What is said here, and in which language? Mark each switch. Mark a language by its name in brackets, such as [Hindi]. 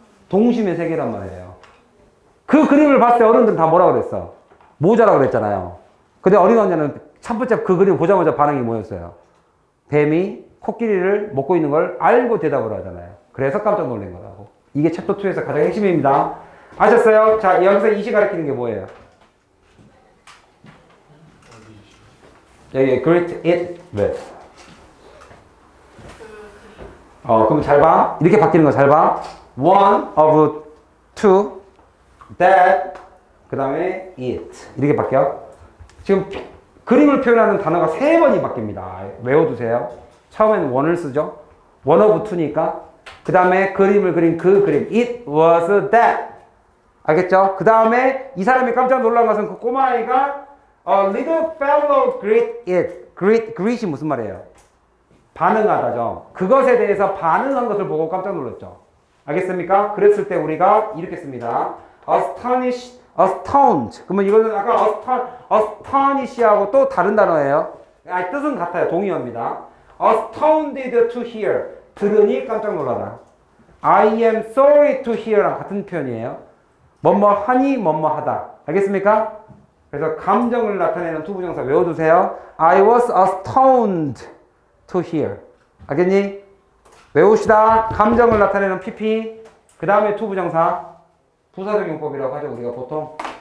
[Korean] 동심의 세계란 말이에요. 그 그림을 봤을 때 어른들은 다 뭐라 그랬어? 모자라고 그랬잖아요. 근데 어린 왕자는 첫 번째 그 그림을 보자마자 반응이 뭐였어요? 뱀이 코끼리를 먹고 있는 걸 알고 대답을 하잖아요. 그래서 깜짝 놀란 거라고. 이게 챕터 2에서 가장 핵심입니다. 아셨어요? 자, 여기서 이시 가르치는 게 뭐예요? 여기 [English] greet it with. [Korean] 그럼 잘 봐. 이렇게 바뀌는 거 잘 봐. [English] One of two. That. [Korean] 그 다음에 it. 이렇게 바뀌어. 지금 그림을 표현하는 단어가 세 번이 바뀝니다. 외워두세요. 처음에는 one을 쓰죠. One of two니까 그 다음에 그림을 그린 그 그림. [English] It was that. [Korean] 알겠죠? 그 다음에 이 사람이 깜짝 놀란 것은 그 꼬마아이가 [English] A little fellow greet it. [Korean] Greet, greet이 무슨 말이에요? 반응하다죠. 그것에 대해서 반응한 것을 보고 깜짝 놀랐죠. 알겠습니까? 그랬을 때 우리가 이렇게 씁니다. [English] Astonished, astonished. [Korean] 그러면 이거는 아까 astonished하고 또 다른 단어예요. 아니, 뜻은 같아요. 동의어입니다. [English] Astounded to hear. [Korean] 들으니 깜짝 놀라다. [English] I am sorry to hear랑 [Korean] 같은 표현이에요. 뭐뭐 하니 뭐뭐 하다. 알겠습니까? 그래서 감정을 나타내는 투부정사 외워두세요. [English] I was astounded to hear. [Korean] 알겠니? 외우시다. 감정을 나타내는 PP. 그 다음에 투부정사. 부사적 용법이라고 하죠, 우리가 보통.